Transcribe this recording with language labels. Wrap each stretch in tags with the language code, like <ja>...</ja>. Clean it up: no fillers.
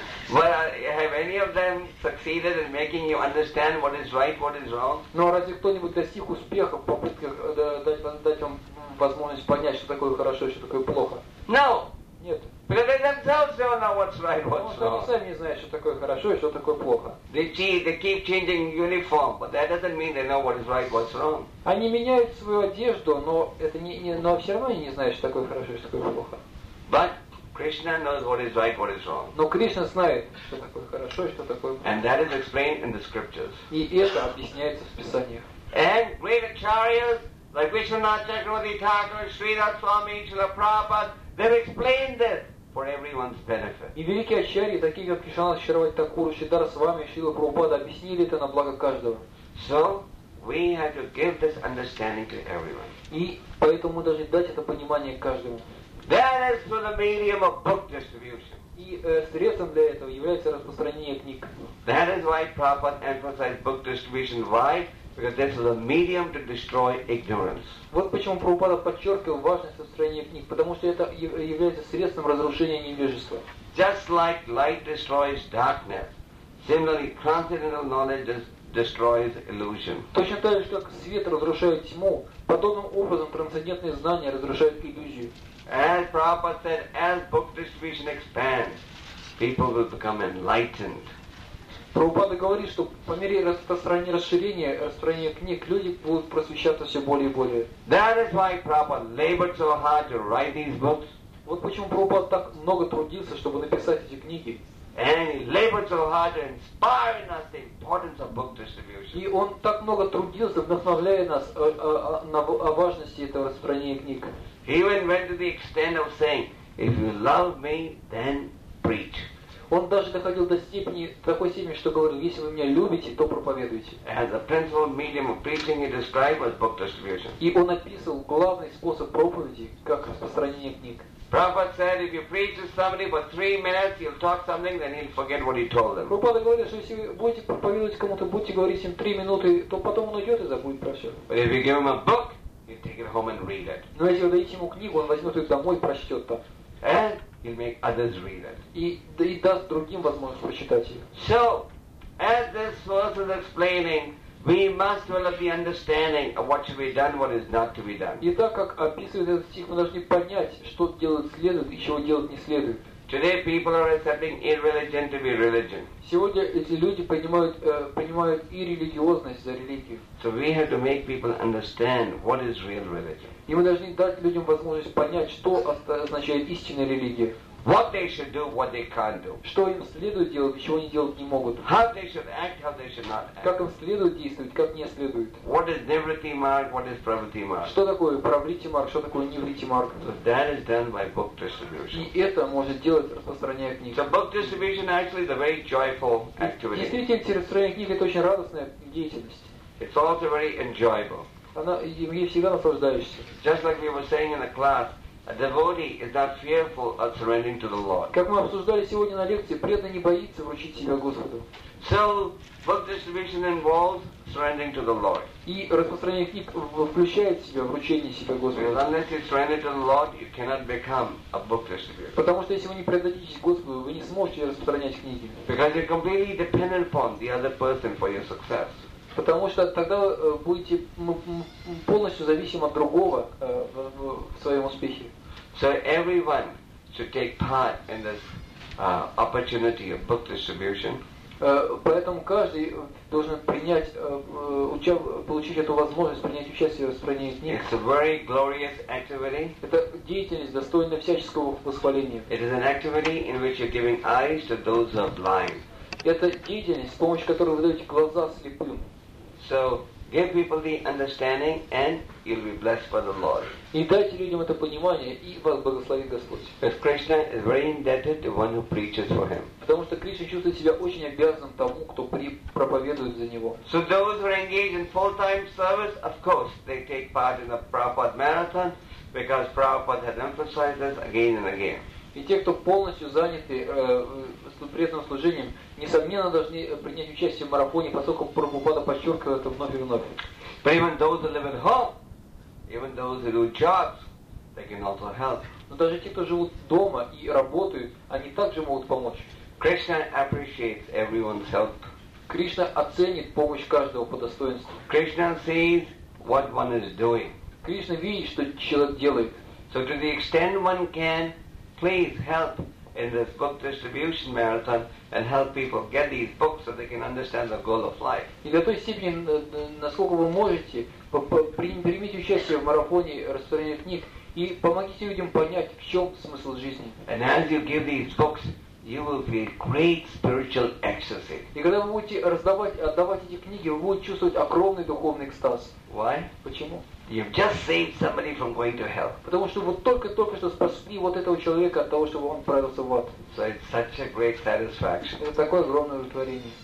<en>But have any of them succeeded in making you understand what is right, what is wrong?</en> <ru>Но разве кто-нибудь достиг успеха в попытках дать вам возможность понять, что такое хорошо, что такое плохо?</ru> <en>No.</en> <ru>Нет.</ru> <en>Because they themselves don't know what's right, what's wrong.</en> <ru>Они сами не знают, что такое хорошо и что такое плохо.</ru> <en>They keep changing uniform, but that doesn't mean they know what is right, what's wrong.</en> <ru>Они меняют свою одежду, но это но все равно они не знают, что такое хорошо и что такое плохо.</ru> <en>But Krishna knows what is right, what is wrong.</en> <ru>Но Кришна знает, что такое хорошо и что такое плохо.</ru> <en>And that is explained in the scriptures.</en> <ru>И это объясняется в Писаниях.</ru> <en>And great acharyas like Vishwanath Chakravarti Thakur, Sridhar Swami, Srila Prabhupada, they've explained this for everyone's benefit.</en> <ru>И великие ачарьи, такие как Кришнанатха Чакраварти Такур, Сридхара Свами, Шрила Прабхупада, объяснили это на благо каждого.</ru> <en>So we have to give this understanding to everyone.</en> <ru>И поэтому мы должны дать это понимание каждому.</ru> <en>That is for the medium of book distribution.</en> <ru>И средством для этого является распространение книг.</ru> <en>That is why Prabhupada emphasized book distribution. Why? Because this is a medium to destroy ignorance.</en> <ru>Вот почему Прабхупада подчеркивал важность распространения книг, потому что это является средством разрушения невежества.</ru> <en>Just like light destroys darkness, similarly transcendental knowledge destroys illusion.</en> <ru>Точно так же, как свет разрушает тьму, подобным образом трансцендентные знания разрушают иллюзию.</ru> <en>As Prabhupada said, as book distribution expands, people will become enlightened.</en> <ru>Прабхупада говорит, что по мере распространения, расширения книг, люди будут просвещаться все более и более.</ru> <en>That is why Prabhupada labored so hard to write these books.</en> <ru>Вот почему Прабхупада так много трудился, чтобы написать эти книги.</ru> <en>And he labored so hard to inspire in us the importance of book distribution.</en> <ru>И он так много трудился, вдохновляя нас о важности этого распространения книг.</ru> <en>He even went to the extent of saying, if you love me, then preach.</en> <ru>Он даже доходил до степени, такой степени, что говорил, если вы меня любите, то проповедуйте.</ru> <en>As a principal medium of preaching, he described as book distribution.</en> <ru>И он описывал главный способ проповеди, как распространение книг.</ru> <en>Prabhupada said, if you preach to somebody for 3 minutes, he'll talk something, then he'll forget what he told them.</en> <ru>Прабхупада говорит, что если вы будете проповедовать кому-то, будете говорить им 3 минуты, то потом он уйдет и забудет про все.</ru> <en>But if you give him a book, he'll take it home and read it.</en> <ru>Но если вы даете ему книгу, он возьмет ее домой и прочтет там.</ru> <en>And he'll make others read it.</en> <ru>И даст другим возможность прочитать ее.</ru> <en>So, as this verse is explaining, we must develop the understanding of what should be done, what is not to be done.</en> <ru>И так как описывает этот стих, мы должны понять, что делать следует и чего делать не следует.</ru> <en>Today people are accepting irreligion to be religion.</en> <ru>Сегодня эти люди принимают и религиозность за религию.</ru> <en>So we have to make people understand what is real religion.</en> <ru>И мы должны дать людям возможность понять, что означает истинная религия.</ru> <en>What they should do, what they can't do.</en> <ru>Что им следует делать, и чего они делать не могут.</ru> <en>How they should act, how they should not act.</en> <ru>Как им следует действовать, как не следует.</ru> <en>What is nivritti marg, what is pravritti marg?</en> <ru>Что такое правритти марг, что такое нивритти марг?</ru> <en>So that is done by book distribution.</en> <ru>И это может делать распространение книг.</ru> <en>So book distribution actually is a very joyful activity.</en> <ru>Действительно, распространение книг это очень радостная деятельность.</ru> <en>It's also very enjoyable.</en> <ru>Она ей всегда наслаждаешься.</ru> <en>Just like we were saying in the class. A devotee is not fearful of surrendering to the Lord.</en> <ru>Как мы обсуждали сегодня на лекции, преданный не боится вручить себя Господу.</ru> <en>So, book distribution involves surrendering to the Lord.</en> <ru>И распространение книг включает в себя вручение себя Господу.</ru> <en>Because unless you surrender to the Lord, you cannot become a book distributor.</en> <ru>Потому что если вы не предадитесь Господу, вы не сможете распространять книги.</ru> <en>Because you're completely dependent upon the other person for your success.</en> <ru>Потому что тогда будете полностью зависим от другого в своем успехе.</ru> <en>So everyone should take part in this opportunity of book distribution.</en> <ru>Поэтому каждый должен получить эту возможность принять участие в распространении книг.</ru> <en>It's a very glorious activity.</en> <ru>Это деятельность, достойная всяческого восхваления.</ru> <en>It is an activity in which you're giving eyes to those who are blind.</en> <ru>Это деятельность, с помощью которой вы даете глаза слепым.</ru> <en>So give people the understanding, and you'll be blessed by the Lord.</en> <ru>И дайте людям это понимание, и вас благословит Господь.</ru> <en>Because Krishna is very indebted to one who preaches for him.</en> <ru>Потому что Кришна чувствует себя очень обязанным тому, кто проповедует за него.</ru> <en>So those who are engaged in full-time service, of course, they take part in the Prabhupada marathon, because Prabhupada has emphasized this again and again.</en> <ru>И те, кто полностью заняты преданным служением, несомненно должны принять участие в марафоне, поскольку Прабхупада подчеркивает это вновь и вновь.</ru> <en>But even those who live at home, even those who do jobs, they can also help.</en> <ru>Но даже те, кто живут дома и работают, они также могут помочь.</ru> <en>Krishna appreciates everyone's help.</en> <ru>Кришна оценит помощь каждого по достоинству.</ru> <en>Krishna sees what one is doing.</en> <ru>Кришна видит, что человек делает.</ru> <en>So to the extent one can, please help in this book distribution marathon and help people get these books so they can understand the goal of life.</en> <ru>И до той степени, насколько вы можете, примите участие в марафоне распространения книг и помогите людям понять, в чем смысл жизни.</ru> <en>And as you give these books, you will feel great spiritual ecstasy.</en> <ru>И когда вы будете отдавать эти книги, вы будете чувствовать огромный духовный экстаз.</ru> <en>Why?</en> <ru>Почему?</ru> <en>You've just saved somebody from going to hell.</en> <ru>Потому что вы только что спасли вот этого человека от того, чтобы он отправился в ад.</ru> <en>So it's such a great satisfaction.</en> <ru>Это такое огромное удовлетворение.</ru>